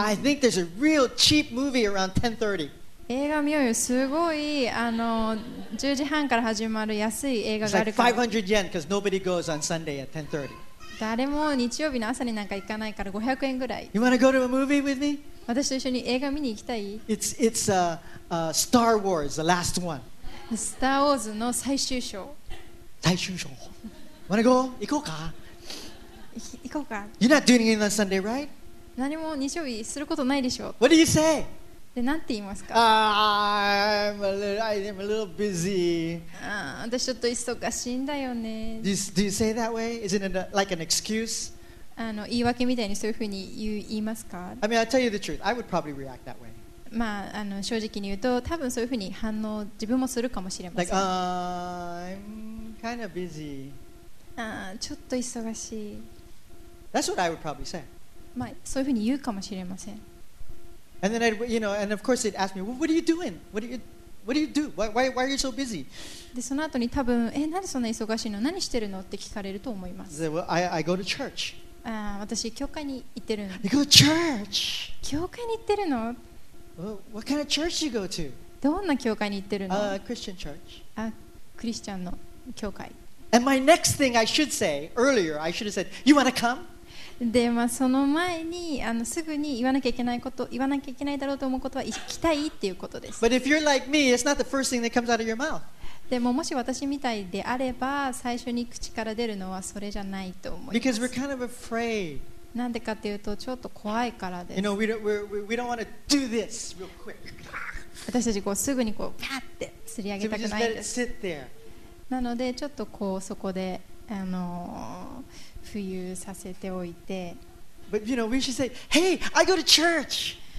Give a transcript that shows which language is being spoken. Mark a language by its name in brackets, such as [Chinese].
[English] I think there's a real cheap movie around 10:30. [Japanese] 映画見ようよ。すごい10時半から始まる安い映画があるから。 [English] It's like 500 yen because nobody goes on Sunday at 10:30. [Japanese] 誰も日曜日の朝になんか行かないから500円ぐらい。 [English] You want to go to a movie with me? [Japanese] 私と一緒に映画見に行きたい？ [English] It's Star Wars, the last one. [Japanese] スターウォーズの最終章。最終章。 [English] Want to go? [Japanese] 行こうか。行こうか。 [English] You're not doing it on Sunday, right? [Japanese] 何も日曜日することないでしょう。 [English] What do you say? [Japanese] で、何て言いますか。 [English] I'm a little busy. [Japanese] 私ちょっと忙しいんだよね。 [English] Do you say that way? Is it like an excuse? [Japanese] 言い訳みたいにそういうふうに言いますか。 [English] I mean, I'll tell you the truth. I would probably react that way. [Japanese] まあ正直に言うと、多分そういうふうに反応自分もするかもしれません。 [English] Like, I'm kind of busy. [Japanese] ちょっと忙しい。 [English] That's what I would probably say. [Japanese] まあ、そういうふうに言うかもしれません。 [English] And then I'd, you know, and of course they'd ask me, "What are you doing? What do you do? Why are you so busy?" [Japanese] で、その後に多分、なんでそんな忙しいの？何してるの？って聞かれると思います。 [English] Say, "Well, I go to church." [Japanese] 私教会に行ってるの。 [English] You go to church? [Japanese] 教会に行ってるの？ [English] Well, what kind of church do you go to? [Japanese] どんな教会に行ってるの？ [English] Christian church. [Japanese] あ、クリスチャンの教会。 [English] And my next thing I should say earlier, I should have said, "You wanna come?" [Japanese] で、まあ、その前にすぐに言わなきゃいけないこと、言わなきゃいけないだろうと思うことは行きたいっていうことです。 [English] But if you're like me, it's not the first thing that comes out of your mouth. [Japanese] でももし私みたいであれば最初に口から出るのはそれじゃないと思います。 [English] Because we're kind of afraid. [Japanese] なんでかっていうとちょっと怖いからです。 [English] You know, we don't want to do this real quick. [Japanese] 私たちこうすぐにこうパッて釣り上げたくないです。 [English] So we just let it sit there. [Japanese] なのでちょっとこうそこで浮遊させておいて。 [English] But you know, we should say, "Hey, I go to church."